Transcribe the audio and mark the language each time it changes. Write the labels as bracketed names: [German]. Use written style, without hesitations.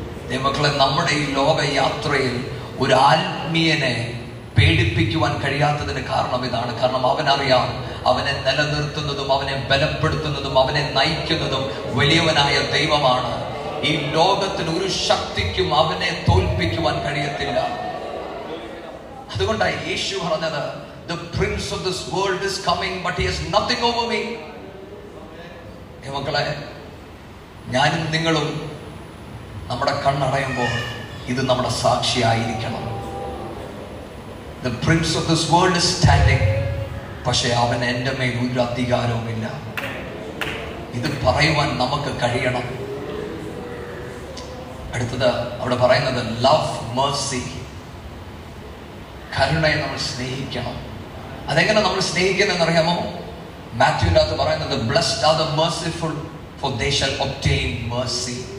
[Malayalam] ദൈവക്കളെ, നമ്മുടെ ഈ ലോകയാത്രയിൽ ഒരു ആത്മീയനെ പേടിപ്പിക്കുവാൻ കഴിയാത്തതിന് കാരണം ഇതാണ്. കാരണം അവനറിയാം അവനെ നിലനിർത്തുന്നതും അവനെ ബലപ്പെടുത്തുന്നതും അവനെ നയിക്കുന്നതും വലിയവനായ ദൈവമാണ്. ഈ ലോകത്തിന് ഒരു ശക്തിക്കും അവനെ തോൽപ്പിക്കുവാൻ കഴിയത്തില്ല. അതുകൊണ്ടാണ് യേശു പറഞ്ഞത്, [English] The prince of this world is coming, but he has nothing over me. ദൈവക്കളെ, [Malayalam] ഞാനും നിങ്ങളും നമ്മുടെ കണ്ണടയുമ്പോൾ ഇത് നമ്മുടെ സാക്ഷിയായിരിക്കണം. [English] The prince of this world is standing, [Malayalam] പക്ഷേ അവൻ എൻ്റെ മേൽ ഒരു അധികാരവുമില്ല. ഇത് പറയുവാൻ നമുക്ക് കഴിയണം. അടുത്തത് അവിടെ പറയുന്നത് [English] love mercy, [Malayalam] കരുണയെ നമ്മൾ സ്നേഹിക്കണം. അതെങ്ങനെ നമ്മൾ സ്നേഹിക്കുന്നതെന്ന് അറിയാമോ? മാത്യുവിനകത്ത് പറയുന്നത് [English] Blessed are the merciful for they shall obtain mercy.